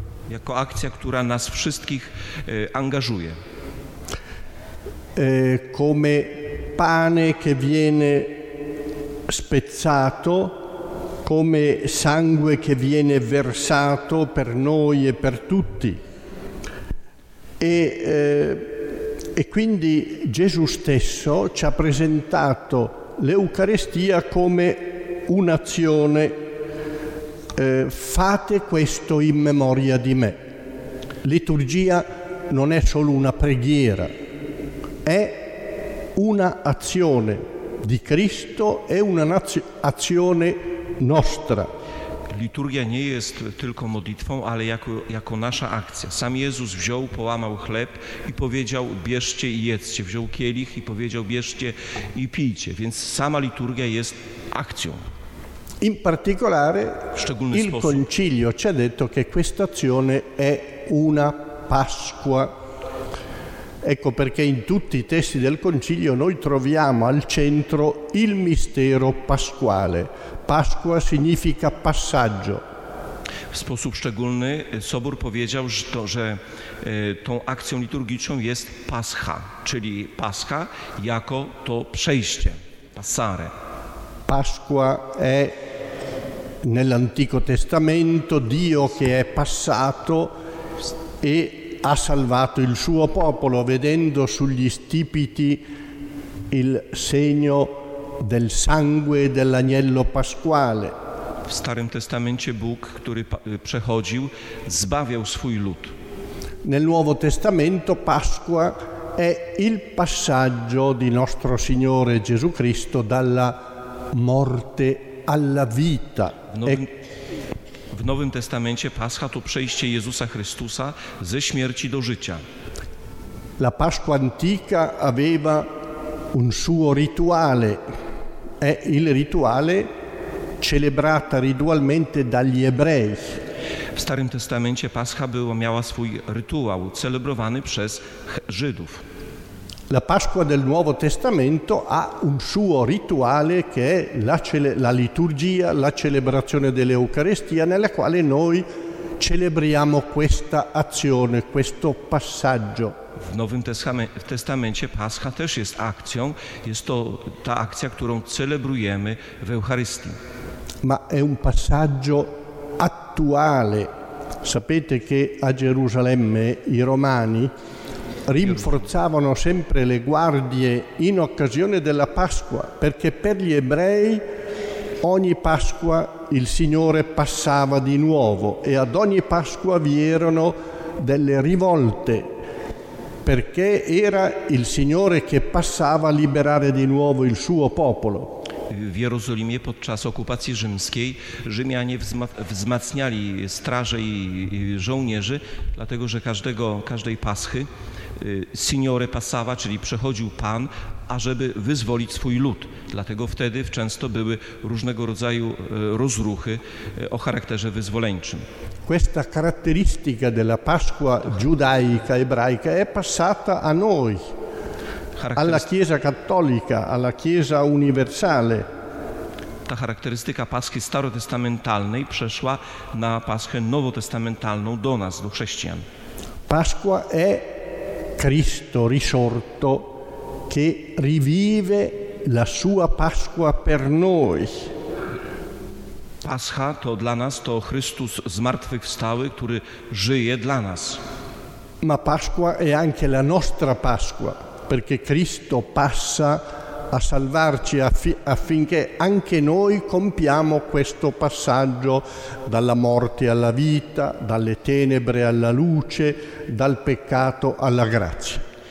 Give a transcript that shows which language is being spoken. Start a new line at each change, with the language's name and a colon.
Polish: Jako akcja, która nas wszystkich angażuje.
Italian: Come pane che viene spezzato, come sangue che viene versato per noi e per tutti. E quindi Gesù stesso ci ha presentato l'Eucaristia come un'azione, fate questo in memoria di me. Liturgia non è solo una preghiera, è una azione di Cristo, è un'azione nostra.
Polish: Liturgia nie jest tylko modlitwą, ale jako nasza akcja. Sam Jezus wziął, połamał chleb i powiedział, bierzcie i jedzcie. Wziął kielich i powiedział, bierzcie i pijcie. Więc sama liturgia jest akcją.
Italian: In particolare,
Polish: w szczególny
Italian: il
Polish: sposób.
Italian: Concilio ci ha detto che questa azione è una Pasqua. Ecco perché in tutti i testi del Concilio noi troviamo al centro il mistero pasquale. Pasqua significa passaggio.
Polish: W sposób szczególny Sobór powiedział, że tą akcją liturgiczną jest Pascha, czyli Pascha jako to przejście, passare.
Italian: Pasqua è nell'Antico Testamento Dio che è passato e ha salvato il suo popolo vedendo sugli stipiti il segno del sangue dell'agnello pasquale.
Polish: W Starym Testamencie Bóg, który przechodził, zbawiał swój lud.
Italian: Nel Nuovo Testamento Pasqua è il passaggio di nostro Signore Gesù Cristo dalla morte alla vita.
Polish: W Nowym Testamencie Pascha to przejście Jezusa Chrystusa ze śmierci do życia.
Italian: La Pasqua antica aveva un suo rituale. È il rituale celebrato ritualmente dagli ebrei.
Polish: W Starym Testamencie Pascha miała swój rytuał celebrowany przez Żydów.
Italian: La Pasqua del Nuovo Testamento ha un suo rituale che è la liturgia, la celebrazione dell'Eucaristia, nella quale noi celebriamo questa azione, questo passaggio.
Polish: W Nowym Testamencie Pascha też jest akcją, jest to ta akcja, którą celebrujemy w Eucharystii.
Italian: Ma è un passaggio attuale. Sapete che a Gerusalemme i Romani rinforzavano sempre le guardie in occasione della Pasqua, perché per gli ebrei ogni Pasqua il Signore passava di nuovo e ad ogni Pasqua vi erano delle rivolte, perché era il Signore che passava a liberare di nuovo il suo popolo.
Polish: W Jerozolimie podczas okupacji rzymskiej Rzymianie wzmacniali straże i żołnierzy, dlatego że każdej Paschy
Italian: Signore passava,
Polish: czyli przechodził Pan, ażeby wyzwolić swój lud. Dlatego wtedy często były różnego rodzaju rozruchy o charakterze wyzwoleńczym.
Italian: Questa caratteristica della Pasqua giudaica ebraica è passata a noi. Alla Chiesa Cattolica, alla Chiesa Universale.
Polish: Ta charakterystyka Paschy starotestamentalnej przeszła na Paschę nowotestamentalną do nas, do chrześcijan.
Italian: Pasqua è Cristo risorto che rivive la sua Pasqua per noi.
Polish: Pascha to dla nas to Chrystus zmartwychwstały, który żyje dla nas.
Italian: Ma Pasqua è anche la nostra Pasqua. Perché Cristo passa a salvarci affinché anche noi compiamo questo passaggio dalla morte alla vita, dalle tenebre alla luce, dal peccato alla grazia.